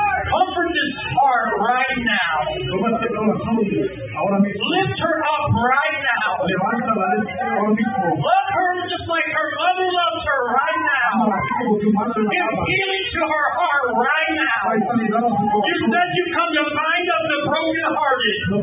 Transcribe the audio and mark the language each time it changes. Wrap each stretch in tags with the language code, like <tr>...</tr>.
<en>Comfort this heart right now.</en> <es>Levante la oración ahora mismo.</es> <en>Lift her up right now.</en> <es>Levanta la oración ahora mismo.</es> <en>Love her just like her mother loves her right now. Give healing to her heart. You said you come to bind up the brokenhearted.</en>